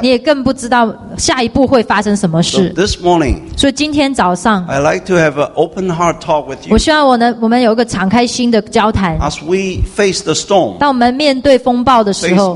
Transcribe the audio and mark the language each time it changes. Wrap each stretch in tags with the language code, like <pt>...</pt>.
<zh>你也更不知道下一步会发生什么事。</zh> <en>So this morning,</en> <zh>所以今天早上</zh> <en>I'd like to have an open heart talk with you.</en> <zh>我希望我们有一个敞开心的交谈。</zh> <en>As we face the storm,</en> <zh>当我们面对风暴的时候</zh>